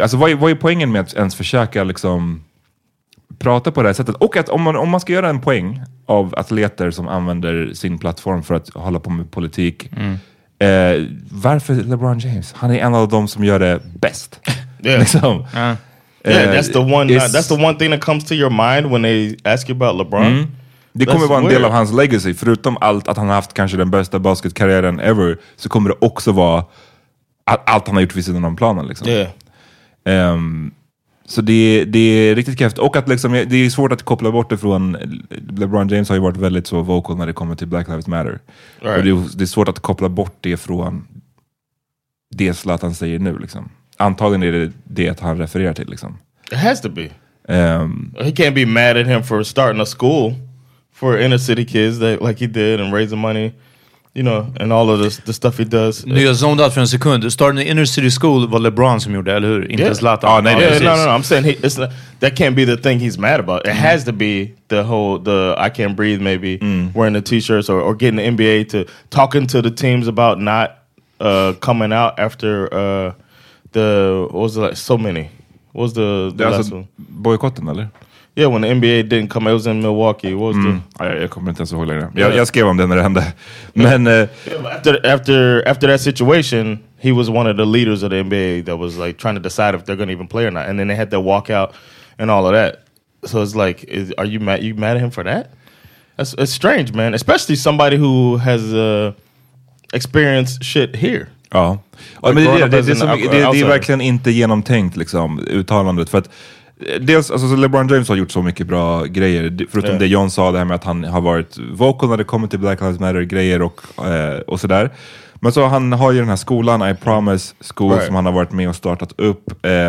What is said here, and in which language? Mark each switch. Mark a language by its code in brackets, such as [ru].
[sv] Alltså vad är poängen med att ens försöka liksom prata på det här sättet? Och att om man ska göra en poäng av atleter som använder sin plattform för att hålla på med politik... Mm. Varför LeBron James? Han är en av dem som gör det bäst. [en] Yeah. [sv] Liksom. [en] That's the one thing that comes to your mind when they ask you about LeBron. Mm. [sv] Det kommer vara en del av hans legacy. Förutom allt att han har haft kanske den bästa basketkarriären ever, så kommer det också vara allt han har gjort vid sidan om planen. Liksom. [en] Yeah. [sv] Så det är riktigt kräft. Och att liksom, det är svårt att koppla bort det från... LeBron James har ju varit väldigt så vocal när det kommer till Black Lives Matter. Right. Och det är svårt att koppla bort det från det Zlatan säger nu. Liksom. Antagligen är det det att han refererar till. Liksom. [en] It has to be. He can't be mad at him for starting a school for inner city kids that, like he did and raising money. You know, and all of the stuff he does. [sv] Nu jag [en] zoned out [sv] för en sekund. [en] Starting an inner city school [sv] var LeBron som gjorde, eller hur? Inte [en] yeah. Zlatan. Oh, no. I'm saying that can't be the thing he's mad about. It has to be the whole I can't breathe maybe wearing the t-shirts or getting the NBA to talking to the teams about not coming out after the, what was it like? So many. What was the last one? [sv] Boykotten, eller? [en] Yeah, when the NBA didn't come, it was in Milwaukee. What was [sv] jag kommer inte ens ihåg längre. Jag skrev om det när det hände. Men [en] after that situation, he was one of the leaders of the NBA that was like trying to decide if they're going to even play or not. And then they had that walkout and all of that. So it's like, are you mad? You mad at him for that? It's strange, man. Especially somebody who has experienced shit here. [sv] Ja. Like, men det är verkligen inte genomtänkt, liksom, uttalandet, för att. Dels, alltså LeBron James har gjort så mycket bra grejer, förutom det John sa, det här med att han har varit vocal när det kommer till Black Lives Matter-grejer och sådär. Men så han har ju den här skolan, I Promise School, right, som han har varit med och startat upp.